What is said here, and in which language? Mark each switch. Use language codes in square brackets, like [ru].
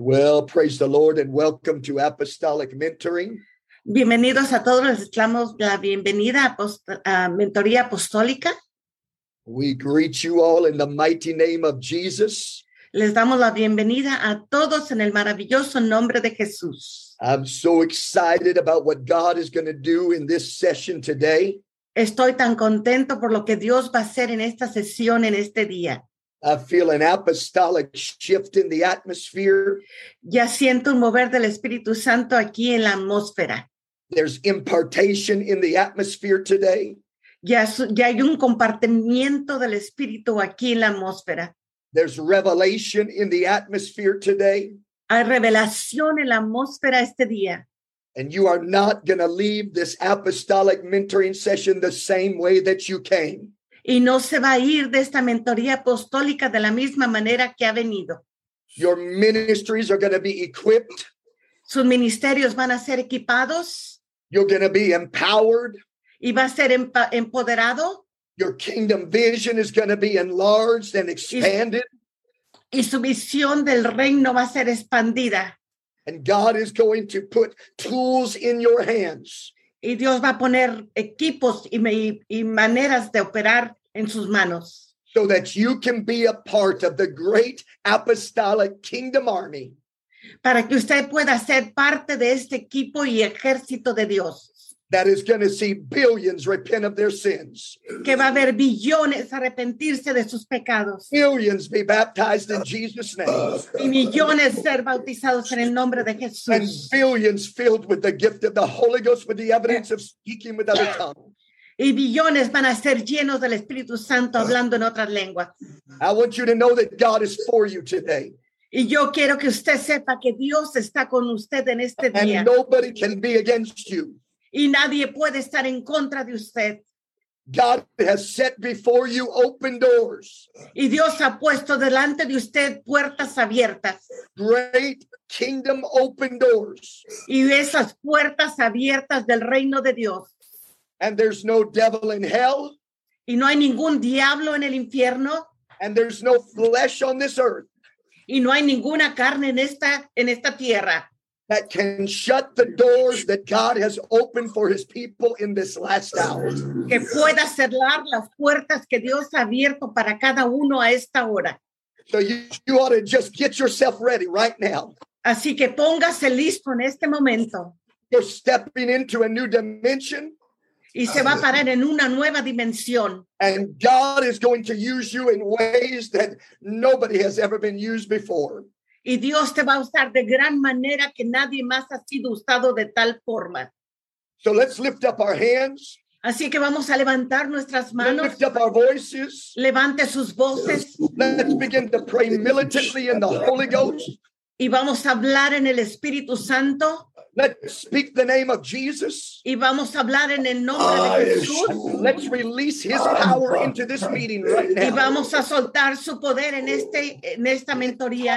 [en] Well, praise the Lord and welcome to Apostolic Mentoring. [es] Bienvenidos a todos, les damos la bienvenida a Mentoría Apostólica. [en] We greet you all in the mighty name of Jesus. [es] Les damos la bienvenida a todos en el maravilloso nombre de Jesús. [en] I'm so excited about what God is going to do in this session today. [es] Estoy tan contento por lo que Dios va a hacer en esta sesión en este día. [en] I feel an apostolic shift in the atmosphere. [es] Ya siento un mover del Espíritu Santo aquí en la atmósfera. [en] There's impartation in the atmosphere today. [es] Ya hay un compartimiento del Espíritu aquí en la atmósfera. [en] There's revelation in the atmosphere today. [es] Hay revelación en la atmósfera este día. [en] And you are not going to leave this apostolic mentoring session the same way that you came. [es] Y no se va a ir de esta mentoría apostólica de la misma manera que ha venido. [en] Your ministries are going to be equipped. [es] Sus ministerios van a ser equipados. [en] You're going to be empowered. [es] Y va a ser empoderado. [en] Your kingdom vision is going to be enlarged and expanded. [es] Y su visión del reino va a ser expandida. [en] And God is going to put tools in your hands. [es] Y Dios va a poner equipos y maneras de operar en sus manos. [en] So that you can be a part of the great apostolic kingdom army. [es] Para que usted pueda ser parte de este equipo y ejército de Dios. [en] That is going to see billions repent of their sins. [es] Que va a haber billones arrepentirse de sus pecados. [en] Billions be baptized in Jesus' name. [es] Y millones ser bautizados en el nombre de Jesús. [en] And billions filled with the gift of the Holy Ghost with the evidence of speaking with other tongues. [es] Y billones van a ser llenos del Espíritu Santo hablando en otras lenguas. [en] I want you to know that God is for you today. [es] Y yo quiero que usted sepa que Dios está con usted en este día. [en] And nobody can be against you. [es] Y nadie puede estar en contra de usted. [en] God has set before you open doors. [es] Y Dios ha puesto delante de usted puertas abiertas. [en] Great kingdom open doors. [es] Y esas puertas abiertas del reino de Dios. [en] And there's no devil in hell. [es] Y no hay ningún diablo en el infierno. [en] And there's no flesh on this earth. [es] Y no hay ninguna carne en esta tierra. [en] That can shut the doors that God has opened for his people in this last hour. [es] Que pueda cerrar las puertas que Dios ha abierto para cada uno a esta hora. [en] So you ought to just get yourself ready right now. [es] Así que póngase listo en este momento. [en] You're stepping into a new dimension. [es] Y se va a parar en una nueva dimensión. [en] And God is going to use you in ways that nobody has ever been used before. [es] Y Dios te va a usar de gran manera que nadie más ha sido usado de tal forma. [en] So let's lift up our hands. [es] Así que vamos a levantar nuestras manos. [en] Lift up our voices. [es] Levante sus voces. [en] Let's begin to pray militantly in the Holy Ghost. [es] Y vamos a hablar en el Espíritu Santo. [en] Let's speak the name of Jesus. [es] Y vamos a hablar en el nombre de Jesús. [en] Let's release his power into this meeting right now. [es] Y vamos a soltar su poder en esta mentoría.